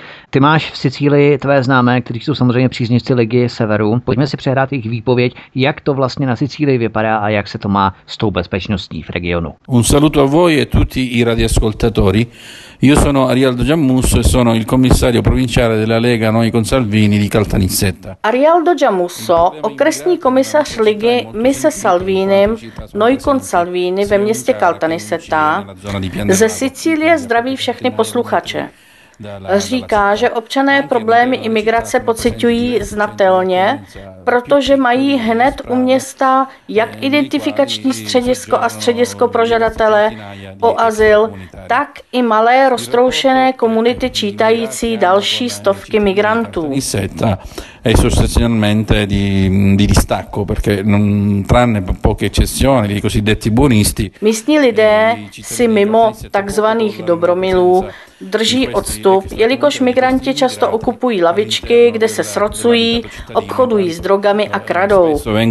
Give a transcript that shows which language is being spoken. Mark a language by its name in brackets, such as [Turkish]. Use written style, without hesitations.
[Czech] Ty máš v Sicílii tvé známé, kteří jsou samozřejmě příznivci Ligie Severu. Pojďme si přehrát jejich výpověď, jak to vlastně na Sicílii vypadá a jak se to má s tou bezpečností v regionu. [Italian] Un saluto a voi e tutti i radioascoltatori. Io sono Arialdo Giammusso e sono il commissario provinciale della Lega Noi con Salvini di Caltanissetta. [Czech] Arialdo Giammusso, okresní komisař Ligy My se Salvínem Noi con Salvini ve městě Caltanissetta ze Sicílie zdraví všechny posluchače. Říká, že občané problémy imigrace pociťují znatelně, protože mají hned u města jak identifikační středisko a středisko pro žadatele o azyl, tak i malé roztroušené komunity čítající další stovky migrantů. [Italian] È sostanzialmente di distacco perché non tranne poche eccezioni dei cosiddetti buonisti. [Czech] Místní lidé si mimo takzvaných dobromilů drží odstup, jelikož migranti často okupují lavičky, kde se srocují, obchodují s drogami a kradou.